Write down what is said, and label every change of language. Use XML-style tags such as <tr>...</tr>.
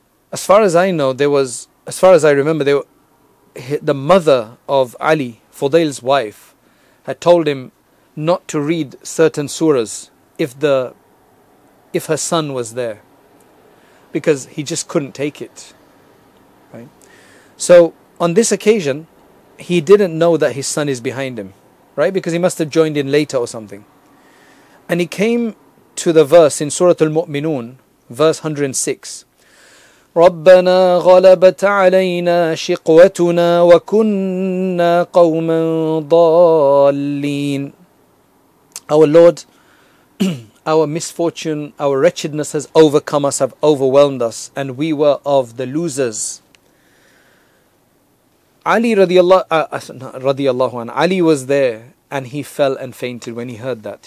<en>As far as I know, the mother of Ali, Fudayl's wife, had told him not to read certain surahs if her son was there, because he just couldn't take it. Right. So on this occasion, he didn't know that his son is behind him, right? Because he must have joined in later or something. And he came to the verse in Surah Al-Mu'minun, verse 106.</en> <ar>ربنا غلبت علينا شقوتنا وكنا قوما ضالين.</ar> <en>Our Lord, our misfortune, our wretchedness has overcome us, have overwhelmed us, and we were of the losers. Ali Ali was there, and he fell and fainted when he heard that.</en>